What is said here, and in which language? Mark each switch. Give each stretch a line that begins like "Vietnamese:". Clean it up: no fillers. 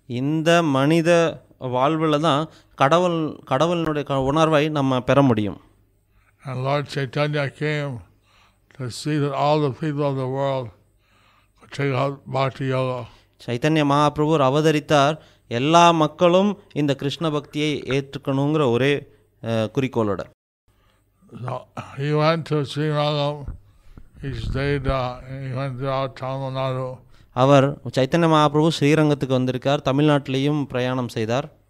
Tamil: இந்த மனித வாழ்வில் தான் கடவுளுடைய உணர்வை நம்ம பெற முடியும்.
English: And Lord Chaitanya came to see that all the people of the world could take up Bhakti Yoga.
Tamil: Chaitanya Mahaprabhu அவதரித்தார் எல்லா மக்களும் இந்த கிருஷ்ண பக்தியை ஏற்றுக்கணுங்கிற ஒரே குறிக்கோளோட.
English: So he went to Sri Raghav. He stayed he went throughout Tamil Nadu.
Tamil: அவர் சைத்தன்ய மகாபிரபு ஸ்ரீரங்கத்துக்கு வந்திருக்கார். தமிழ்நாட்டிலையும் பிரயாணம் செய்தார்.